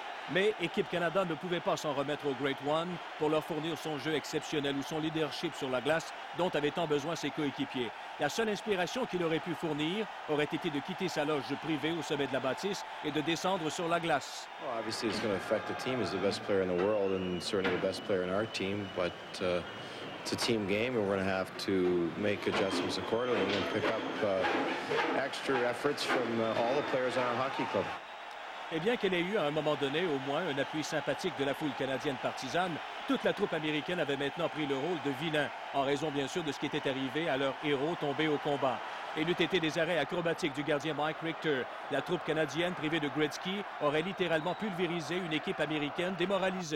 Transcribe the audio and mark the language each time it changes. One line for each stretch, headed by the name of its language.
French: Mais équipe Canada ne pouvait pas s'en remettre au Great One pour leur fournir son jeu exceptionnel ou son leadership sur la glace dont avaient tant besoin ses coéquipiers. La seule inspiration qu'il aurait pu fournir aurait été de quitter sa loge privée au sommet de la bâtisse et de descendre sur la glace.
English: Well, obviously, it's going to affect the team. He's the best player in the world and certainly the best player in our team. But it's a team game and we're going to have to make adjustments accordingly and pick up extra efforts from all the players on our hockey club.
French: Et bien qu'elle ait eu à un moment donné au moins un appui sympathique de la foule canadienne partisane, toute la troupe américaine avait maintenant pris le rôle de vilain, en raison bien sûr de ce qui était arrivé à leur héros tombé au combat. Et n'eût été des arrêts acrobatiques du gardien Mike Richter, la troupe canadienne privée de Gretzky aurait littéralement pulvérisé une équipe américaine démoralisée.